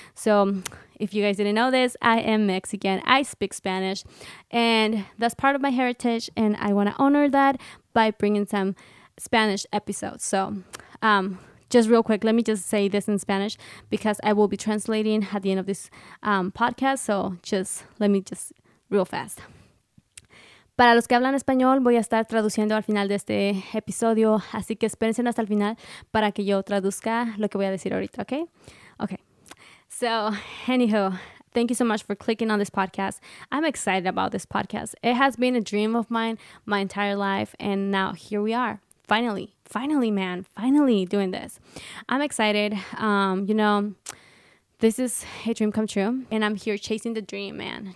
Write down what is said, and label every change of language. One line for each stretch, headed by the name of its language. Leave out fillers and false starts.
English: So if you guys didn't know this, I am Mexican. I speak Spanish, and that's part of my heritage, and I want to honor that by bringing some Spanish episodes. So, just real quick, let me just say this in Spanish because I will be translating at the end of this podcast. So just let me just real fast.
Spanish: Para los que hablan español, voy a estar traduciendo al final de este episodio. Así que espérense hasta el final para que yo traduzca lo que voy a decir ahorita, ¿ok?
English: Ok. So, anyhow, thank you so much for clicking on this podcast. I'm excited about this podcast. It has been a dream of mine my entire life. And now here we are. Finally doing this. I'm excited. You know, this is a dream come true, and I'm here chasing the dream, man.